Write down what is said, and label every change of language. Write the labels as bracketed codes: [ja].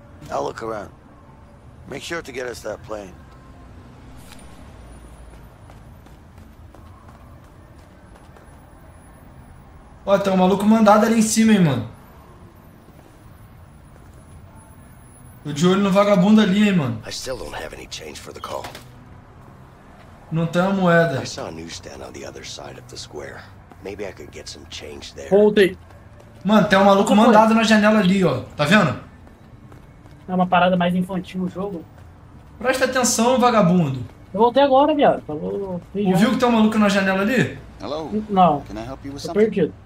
[en] I'll look around. Make sure to get us that plane. [pt] Ó, tem um maluco mandado ali em cima, hein, mano. Tô de olho no vagabundo ali, hein, mano. [en] I still don't have any change for the call. [pt] Não tem a moeda. [en] I saw a newsstand on the other side of the square. Maybe I could get some change there. Hold it. [pt] Mano, tem um maluco mandado na janela ali, ó. Tá vendo? É uma parada mais infantil o jogo. Presta atenção, vagabundo. Eu voltei agora, viado. Ouviu que tem um maluco na janela ali? [en] Hello? [pt] Não. [en] Can I help you with something? [pt] Tô perdido.